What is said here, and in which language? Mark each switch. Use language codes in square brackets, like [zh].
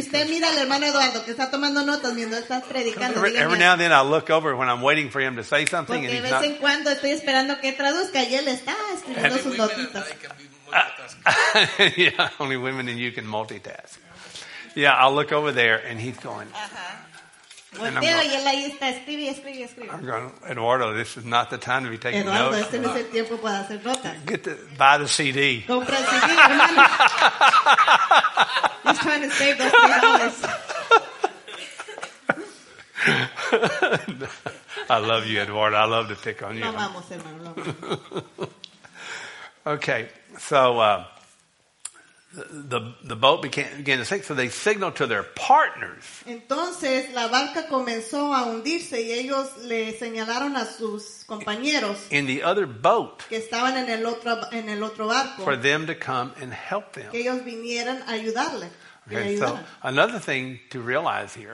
[es] Si usted mira al hermano Eduardo que está tomando notas mientras estás predicando. [en] Every now and then I look over when I'm waiting for him to say something. [es] Porque [en] and he's [es] de vez en cuando estoy esperando que traduzca y él está escribiendo sus notitas. [en] Yeah, only women and you can multitask. Yeah, I'll look over there and he's going. [es] Volteo, [en] I'm going, Eduardo, this is not the time to be taking [es] Eduardo, [en] notes. [es] Este no es el tiempo para hacer notas. [en] Buy the CD. [es] Compra el CD, hermano. [en] He's trying to save those $3. I love you, Eduardo. I love to pick on you. [es] No, vamos, hermano. [en] Okay, so The boat began to sink, so they signaled to their partners. [es] Entonces la barca comenzó a hundirse y ellos le señalaron a sus compañeros [en] in the other boat [es] que estaban en el otro barco [en] for them to come and help them. [es] Que ellos vinieran a ayudarle. [en] Okay, so another thing to realize here,